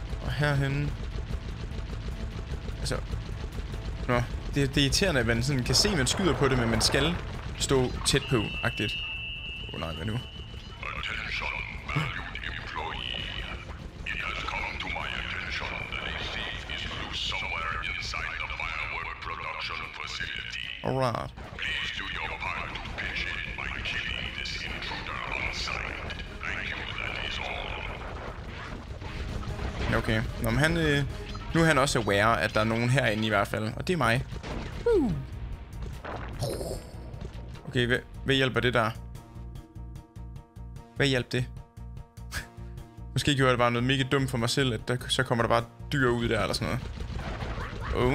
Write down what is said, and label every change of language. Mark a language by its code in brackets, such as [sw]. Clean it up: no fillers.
[da] Herhenne. Altså. Nå. Det er irriterende, at man sådan kan se, at man skyder på det, men man skal stå tæt på, agtigt. Åh nej, hvad nu? [en] Attention, valued employee. It has come to my attention that a thief is loose somewhere inside the firework production facility. Alright. Please do your part to pitch in by killing this intruder on site. Thank you, that is all. Okay. [da] Nå, men nu er han også aware, at der er nogen herinde i hvert fald. Og det er mig. Okay, hvad hjælper det der? Hvad hjælper det? Måske gjorde det bare noget mega dumt for mig selv, at der, så kommer der bare dyr ud der eller sådan noget.